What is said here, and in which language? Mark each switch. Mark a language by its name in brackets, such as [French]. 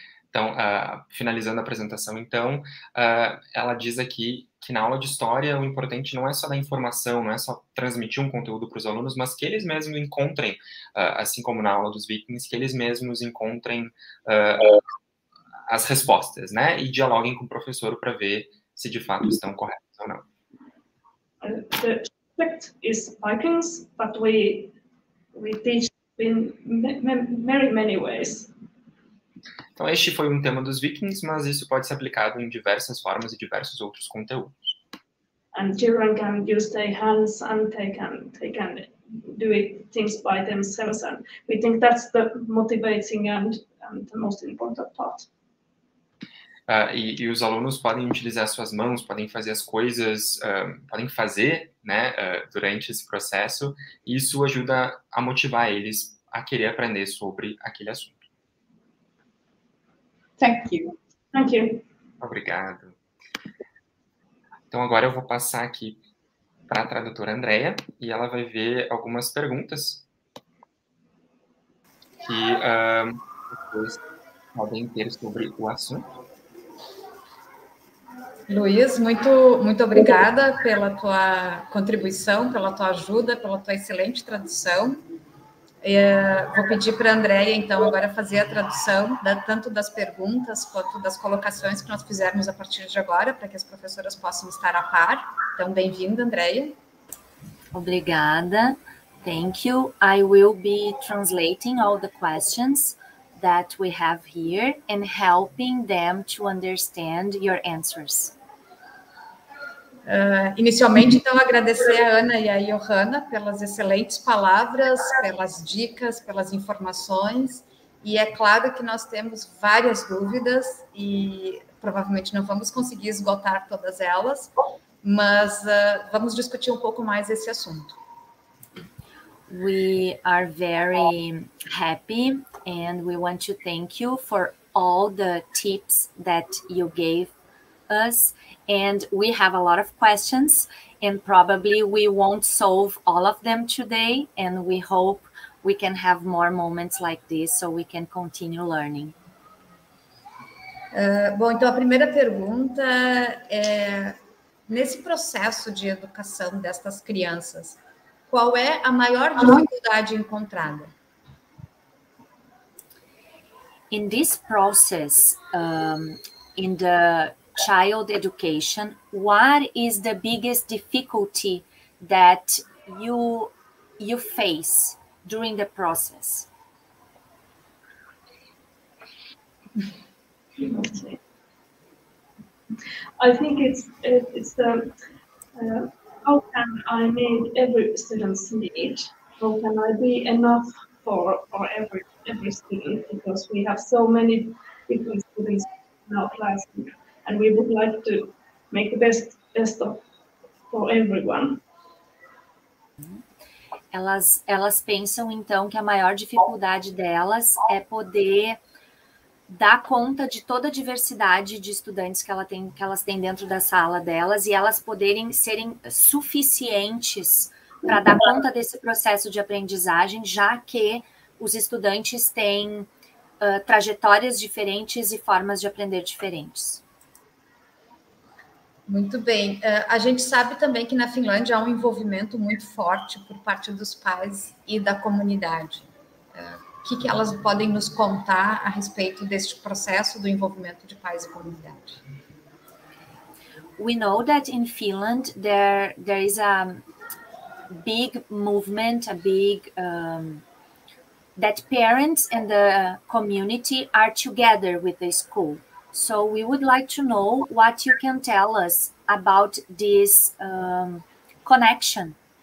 [Portuguese] Então, finalizando a apresentação, então, ela diz aqui que na aula de história o importante não é só dar informação, não é só transmitir um conteúdo para os alunos, mas que eles mesmos encontrem, assim como na aula dos Vikings, que eles mesmos encontrem as respostas, né? E dialoguem com o professor para ver se de fato estão corretos ou não. [English] The subject is Vikings, but we teach in many, many ways. [Portuguese] Então, este foi um tema dos Vikings, mas isso pode ser aplicado em diversas formas e diversos outros conteúdos. [English] And children can use their hands and they can do it, things by themselves. And we think that's the motivating and the most important part. [Portuguese] E os alunos podem utilizar suas mãos, podem fazer as coisas, podem fazer, né, durante esse processo. E isso ajuda a motivar eles a querer aprender sobre aquele assunto. [English] Thank you. [Portuguese] Obrigado. Então agora eu vou passar aqui para a tradutora Andrea e ela vai ver algumas perguntas que vocês podem ter sobre o assunto. Luiz, muito, muito obrigada pela tua contribuição, pela tua ajuda, pela tua excelente tradução. Vou pedir para a Andrea, então, agora fazer a tradução tanto das perguntas quanto das colocações que nós fizermos a partir de agora, para que as professoras possam estar a par. Então, bem-vinda, Andrea. Obrigada. [English] Thank you. I will be translating all the questions that we have here and helping them to understand your answers. [Portuguese] Inicialmente, então, agradecer a Ana e a Johanna pelas excelentes palavras, pelas dicas, pelas informações. E é claro que nós temos várias dúvidas e provavelmente não vamos conseguir esgotar todas elas, mas vamos discutir um pouco mais esse assunto. [English] We are very happy and we want to thank you for all the tips that you gave us. And we have a lot of questions, and probably we won't solve all of them today, and we hope we can have more moments like this so we can continue learning. [Portuguese] Bom, então a primeira pergunta é, nesse processo de educação destas crianças, qual é a maior dificuldade encontrada? [English] In this process, in the child education, what is the biggest difficulty that you face during the process? I think it's the how can I meet every student's need? How can I be enough for every student? Because we have so many different students in our class. And we would like to make the best of for everyone. [Portuguese] Elas pensam, então, que a maior dificuldade delas é poder dar conta de toda a diversidade de estudantes que elas têm dentro da sala delas e elas poderem serem suficientes para dar conta desse processo de aprendizagem, já que os estudantes têm trajetórias diferentes e formas de aprender diferentes. Muito bem. A gente sabe também que na Finlândia há um envolvimento muito forte por parte dos pais e da comunidade. O que elas podem nos contar a respeito deste processo do envolvimento de pais e comunidade? [English] We know that in Finland there is a big movement, a big that parents and the community are together with the school. So we would like to know what you can tell us about this connection.